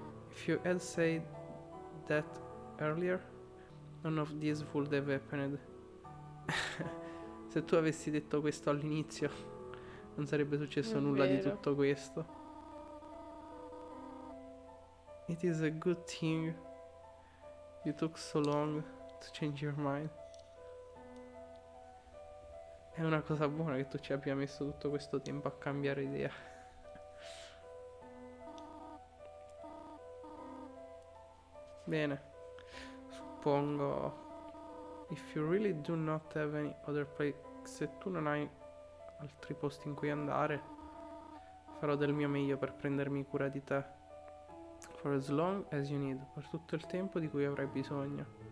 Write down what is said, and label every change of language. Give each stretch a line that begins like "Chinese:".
English: If you had said that earlier, none of this would have happened.
Italian: Se tu avessi detto questo all'inizio, non sarebbe successo nulla di tutto questo.
English: It is a good thing you took so long to change your mind.
Italian: È una cosa buona che tu ci abbia messo tutto questo tempo a cambiare idea. Bene, suppongo,
English: if you really do not have any other place,
Italian: se tu non hai altri posti in cui andare, farò del mio meglio per prendermi cura di te,
English: for as long as you need,
Italian: per tutto il tempo di cui avrai bisogno.